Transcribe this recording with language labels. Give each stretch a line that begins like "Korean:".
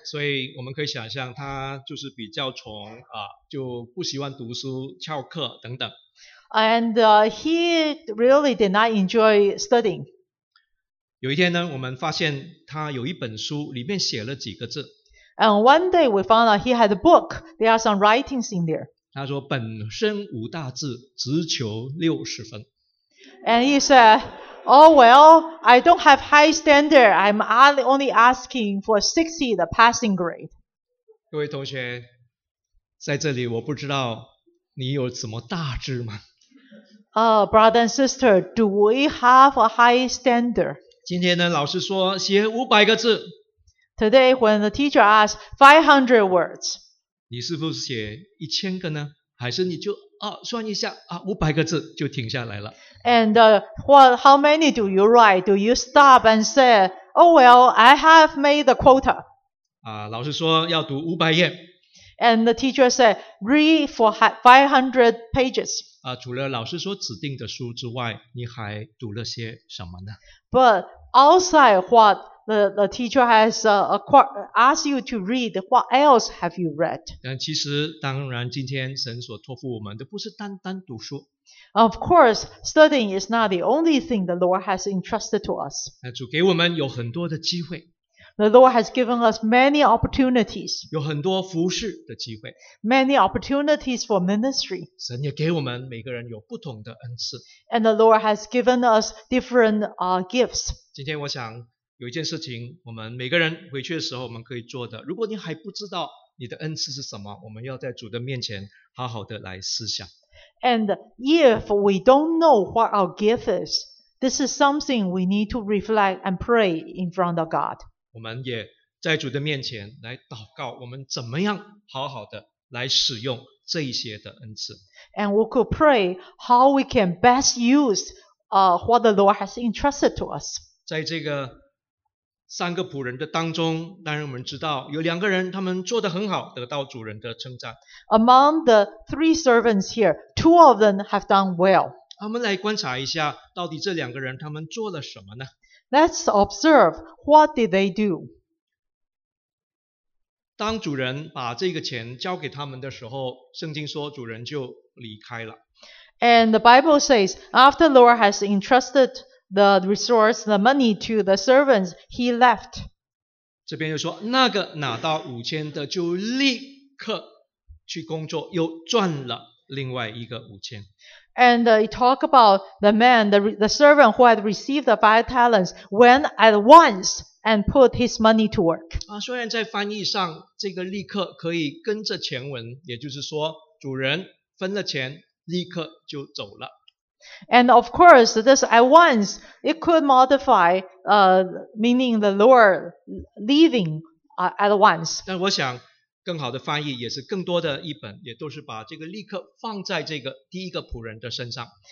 Chinese: 所以我们可以想象他就是比较从就不喜欢读书、翘课等等。
English: And he really did not enjoy studying.
Chinese: 有一天呢，我们发现他有一本书，里面写了几个字。
English: And one day we found out he had a book. There are some writings in there.
Chinese: 他说本身无大志，只求60分。
English: And he said, oh well, I don't have high standard. I'm only asking for 60, the passing grade.
Chinese: 各位同学，在这里我不知道你有什么大志吗？
English: Brother and sister, do we have a high standard?
Chinese: 今天呢，老师说写500个字。
English: Today, when the teacher asks 500 words,
Chinese: 你是不是写1000个呢？还是你就算一下500个字就停下来了？
English: And how many do you write? Do you stop and say, oh well, I have made the quota?
Chinese: 老师说要读500页。
English: And the teacher said, read for 500 pages.
Chinese: 除了老师所指定的书之外，你还读了些什么呢？
English: But outside what the teacher has asked you to read, what else have you read?
Chinese: 但其实当然今天神所托付我们的不是单单读书。
English: Of course, studying is not the only thing the Lord has entrusted to us.
Chinese: 主给我们有很多的机会。
English: The Lord has given us many opportunities.
Chinese: 有很多服事的机会。
English: Many opportunities for ministry.
Chinese: 神也给我们每个人有不同的恩赐。
English: And the Lord has given us different gifts.
Chinese: 今天我想有一件事情我们每个人回去的时候我们可以做的。如果你还不知道你的恩赐是什么，我们要在主的面前好好的来思想。
English: And if we don't know what our gift is, this is something we need to reflect and pray in front of God.
Chinese: 我们也在主的面前来祷告，我们怎么样好好的来使用这些的恩赐。
English: And we could pray how we can best use what the Lord has entrusted to us.
Chinese: 在这个三个仆人的当中，当然我们知道有两个人他们做得很好，得到主人的称赞。
English: Among the three servants here, two of them have done well.
Chinese: 我们来观察一下，到底这两个人他们做了什么呢？
English: Let's observe what did they do.
Chinese: 当主人把这个钱交给他们的时候，圣经说主人就离开了。
English: And the Bible says, after the Lord has entrusted the resource, the money to the servants, he left.
Chinese: 这边又说，那个拿到5000的就立刻去工作，又赚了另外一个5000。
English: And you talk about the man, the servant who had received the 5 talents, went at once and put his money to work.
Chinese: 虽然在翻译上，这个立刻可以跟着前文，也就是说，主人分了钱，立刻就走了。
English: And of course, this at once, it could modify, meaning the Lord leaving, at once.
Chinese: 但我想更好的翻译也是更多的译本，也都是把这个立刻放在这个第一个仆人的身上。